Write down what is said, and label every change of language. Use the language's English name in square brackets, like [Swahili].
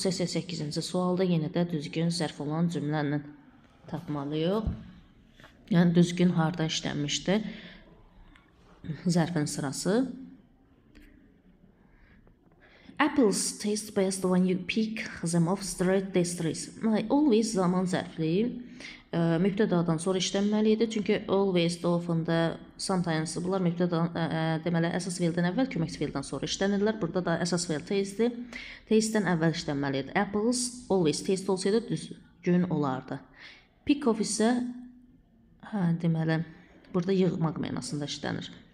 [Azerbaijani] 88-ci sualda yenə də düzgün zərf olan cümlənin tapmalıyıq. Yəni düzgün harda işlənmişdi zərfin sırası. [English] Apples taste best when you pick them off straight the trees. [Azerbaijani] Always zaman zərfli. Mübtədadan sonra işlənməliydi. Çünki [English] always, often, sometimes [Azerbaijani] bunlar mübtədadan, deməli əsas fiildən əvvəl köməkçi fiildən sonra işlənirlər. Burada da əsas fiil taste-dir. Taste-dən əvvəl işlənməliydi. [English] Apples always taste [Azerbaijani] olsaydı düzgün olardı. [English] Pick off [Azerbaijani] isə deməli burada yığmaq mənasında işlənir.